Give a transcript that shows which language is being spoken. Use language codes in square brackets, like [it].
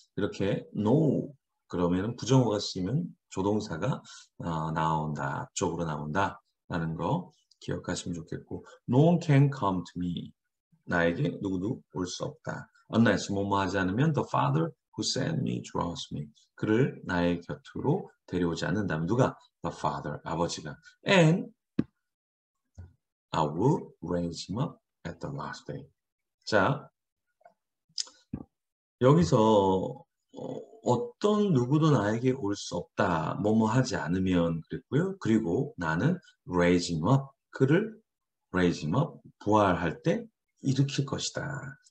[ko] 이렇게 no, 그러면 부정어가 쓰이면 조동사가 나온다, 앞쪽으로 나온다라는 거 기억하시면 좋겠고. [en] No one can come to me. [ko] 나에게 누구도 올수 없다. [en] Unless [ko] 뭐뭐 하지 않으면 [en] the father who sent me draws me. [ko] 그를 나의 곁으로 데려오지 않는다면 누가? [en] The father, [ko] 아버지가. [en] And I will raise him up At the last day. [ko] 자, 여기서 어떤 누구도 나에게 올수 없다. 뭐뭐 하지 않으면 그랬고요. 그리고 나는 [en] raise him up. [ko] 그를 raise him up. 부활할 때 일으킬 것이다.